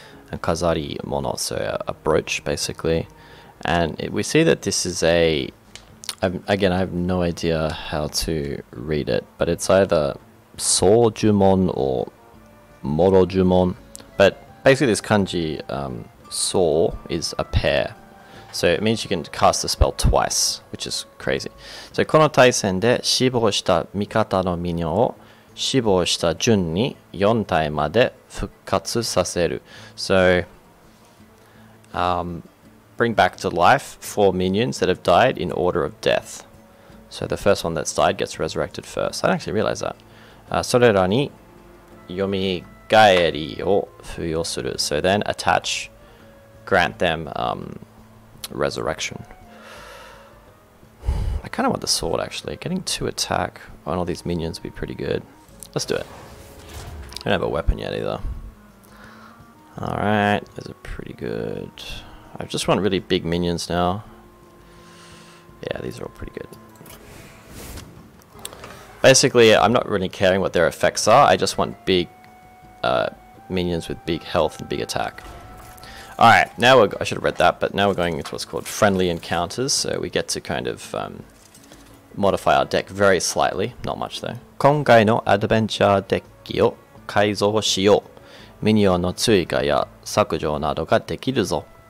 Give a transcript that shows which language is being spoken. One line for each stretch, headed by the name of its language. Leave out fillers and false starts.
English: And kazari mono, so a brooch basically. And it, we see that this is a, again, I have no idea how to read it, but it's either Sōjumon or Morojumon. But basically this kanji, Sō is a pair. So it means you can cast the spell twice, which is crazy.
Japanese: So この対戦で死亡した味方のミニョンを死亡した順に4体まで復活させる。
English: So, bring back to life four minions that have died in order of death. So the first one that's died gets resurrected first. I didn't actually realize that.
Japanese: それらに蘇りを付与する。
English: So then attach, grant them resurrection. I kind of want the sword actually. Getting two attack on all these minions would be pretty good. Let's do it. I don't have a weapon yet either. Alright, those are pretty good. I just want really big minions now. Yeah, these are all pretty good. Basically, I'm not really caring what their effects are. I just want big minions with big health and big attack. Alright, now we're... I should have read that, but now we're going into what's called friendly encounters. So we get to kind of modify our deck very slightly. Not much, though.
Japanese: 今回のアドベンチャーデッキを改造しよう。ミニオンの追加や削除などができるぞ。